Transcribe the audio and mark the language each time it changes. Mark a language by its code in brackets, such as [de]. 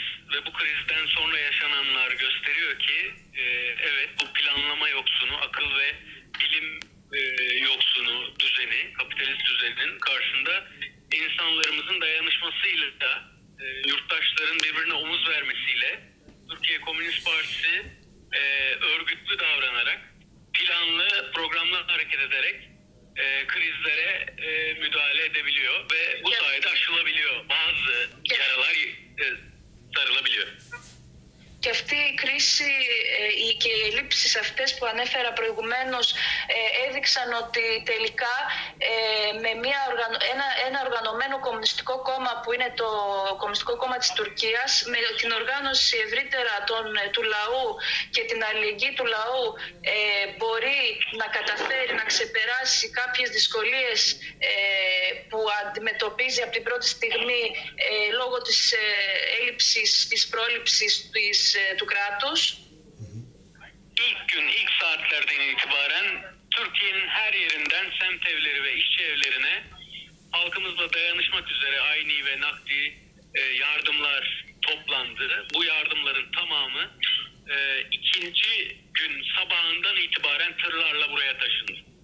[tr] Ve bu krizden sonra yaşananlar gösteriyor ki evet bu planlama yoksunu, akıl ve bilim yoksunu düzeni, kapitalist düzeninin karşısında insanlarımızın dayanışmasıyla da yurttaşların birbirine omuz vermesiyle Türkiye Komünist Partisi örgütlü davranarak, planlı programla hareket ederek krizlere müdahale edebiliyor ve bu sayede aşılabiliyor. Bazı yaralar sarılabiliyor. [el] Και αυτή η κρίση και οι ελλείψεις αυτές που ανέφερα προηγουμένως έδειξαν ότι τελικά με ένα οργανωμένο κομμουνιστικό κόμμα που είναι το Κομμουνιστικό Κόμμα της Τουρκίας με την οργάνωση ευρύτερα του λαού και την αλληλεγγύη του λαού μπορεί να καταφέρει να ξεπεράσει κάποιες δυσκολίες που αντιμετωπίζει από την πρώτη στιγμή λόγω της έλλειψης της πρόληψης της του κράτους. [tr] İlk gün, ilk saatlerden itibaren Türkiye'nin her yerinden semt evleri ve işçi evlerine halkımızla dayanışmak üzere aynı ve nakdi yardımlar toplandı. Bu yardımların tamamı ikinci gün sabahından itibaren tırlarla buraya taşındı.